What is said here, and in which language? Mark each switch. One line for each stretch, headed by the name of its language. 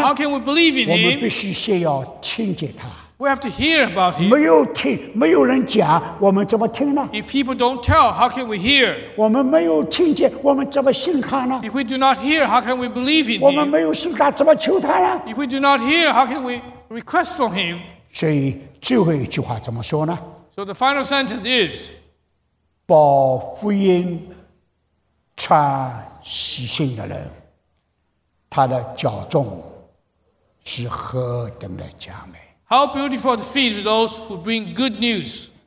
English: How can we believe in him?
Chinese: 我们必须先要听见他。
English: We have to hear about him.
Chinese: 没有听，没有人讲，我们怎么听呢？
English: If people don't tell, how can we hear?
Chinese: 我们没有听见，我们怎么信他呢？
English: If we do not hear, how can we believe in him?
Chinese: 我们没有信他，怎么求他呢？
English: If we do not hear, how can we request from him?
Chinese: 所以最后一句话怎么说呢？
English: So the final sentence is,
Chinese: 报福音传喜信的人，他的脚重是何等的佳美。
English: How beautiful the feet of those who bring good news.